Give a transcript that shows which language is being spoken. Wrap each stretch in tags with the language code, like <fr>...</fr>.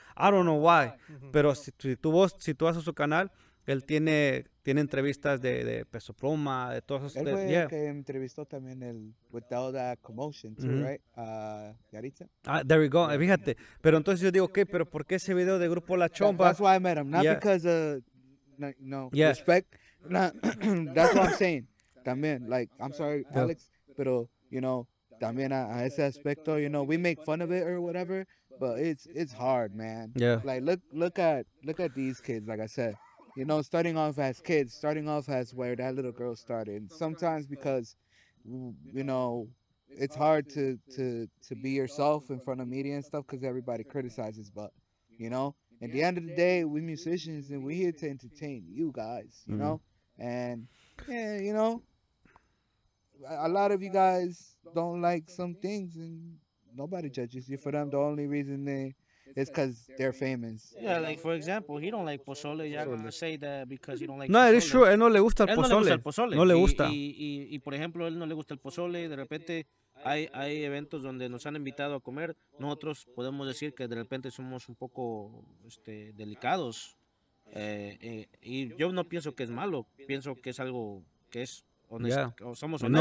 <en>I don't know why,</en> <es>pero si tú vas a su canal, él tiene entrevistas de Peso Pluma, de todos esos. Él fue el que entrevistó también el Without That Commotion, too, mm-hmm. Right?</es> <en>Yaritza. There we go, fíjate.</en> <es>Pero entonces yo digo, ok, pero ¿por qué ese video de Grupo La Chomba?</es> <en>That's why I met him, not because respect. That's what I'm saying, también. Like, I'm sorry, Alex,</en> <es>pero, también a ese aspecto,</es> <en>we make fun of it or whatever, but it's hard, man. Yeah. Like, look at these kids, like I said. Starting off as kids, starting off as where that little girl started. Sometimes because, it's hard to be yourself in front of media and stuff because everybody criticizes. But, at the end of the day, we musicians and we're here to entertain you guys, And, a lot of you guys don't like some things and nobody judges you for them. The only reason it's because they're famous. Yeah, like, for example, he don't like pozole. Yeah, I'm going to say that because he don't like pozole. No, it is true.</en> <es>Él no le gusta el pozole. Él no le gusta el pozole. No le gusta. Y, por ejemplo, él no le gusta el pozole. De repente, hay eventos donde nos han invitado a comer. Nosotros podemos decir que de repente somos un poco delicados. Y yo no pienso que es malo. Pienso que es algo que es honesto. Yeah. Somos honestos,</es>